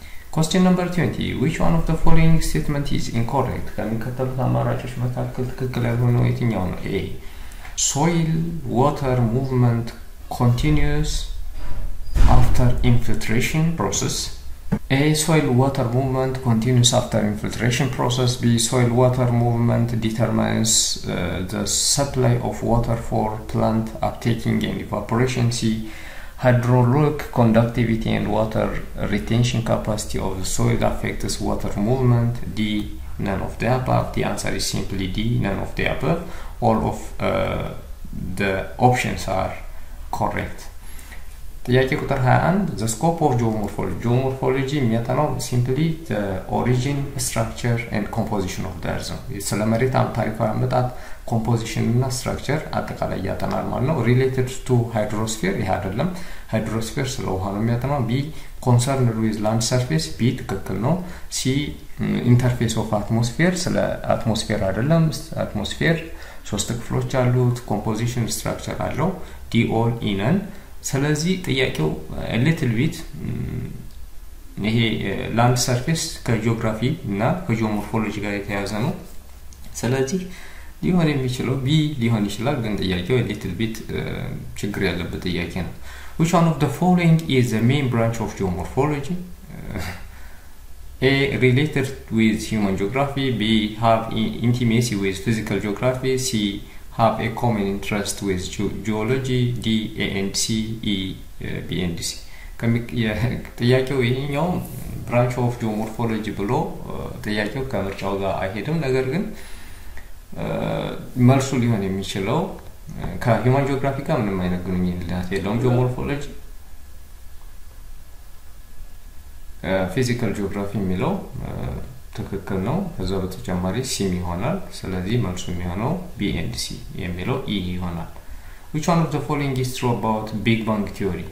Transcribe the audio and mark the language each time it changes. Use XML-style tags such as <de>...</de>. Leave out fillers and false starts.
<en>Question number 20. Which one of the following statement is incorrect?</en> <am>ከምንከተሉት አማራጮች መካከል ትክክል ያልሆነው የትኛው ነው?</am> <en>A. Soil water movement continues after infiltration process. A. Soil water movement continues after infiltration process. B. Soil water movement determines the supply of water for plant uptaking and evaporation. C. Hydraulic conductivity and water retention capacity of the soil affects water movement. D, none of the above. The answer is simply D, none of the above. All of the options are correct.</en> <am>ጥያቄ ቁጥር 21.</am> <en>The scope of geomorphology. Geomorphology የሚያጠናው simply the origin, structure and composition of the earth.</en> <am>ስለ መሬት ታሪካዊ አመጣጥ composition እና structure አጠቃላይ ያጠናል ማለት ነው።</am> <en>Related to hydrosphere</en> <am>ይሄ አይደለም። Hydrosphere ስለ ውሃ ነው የሚያጠናው።</am> <en>B concerned with land surface.</en> <am>B ትክክል ነው። C interface of atmosphere ስለ atmosphere አይደለም። Atmosphere ሶስት ክፍሎች አሉት። Composition structure አለው። D all in and ስለዚህ ጥያቄው a little bit ይሄ land surface ከጂኦግራፊ እና ከጂኦሞርፎሎጂ ጋር የተያዘ ነው። ስለዚህ ሊሆን የሚችለው B ሊሆን ይችላል፣ ግን ጥያቄው a little bit ችግር ያለበት ጥያቄ ነው።</am> <en>Which one of the following is the main branch of geomorphology? A related with human geography. B have intimacy with physical geography. C have a common interest with geology. D A and C E B and C.</en> <am>ጥያቄው ይሄኛው branch of geomorphology ብሎ ጥያቄው ከምርጫው ጋር አይሄድም። ነገር ግን መልሱ ሊሆን የሚችለው ከሂውማን ጂኦግራፊ ጋር ምንም አይነት ግንኙነት የለውም። ጂኦሞርፎሎጂ ፊዚካል ጂኦግራፊ የሚለው ትክክል ነው። ከዛ በተጨማሪ ሲም ይሆናል። ስለዚህ መልሱ የሚሆነው ቢ ኤንድ ሲ የሚለው ኢ ይሆናል።</am> <en>ዊች ዋን ኦፍ ዘ ፎሎዊንግ ኢዝ ትሩ አባውት ቢግ ባንግ ቲዮሪ?</en>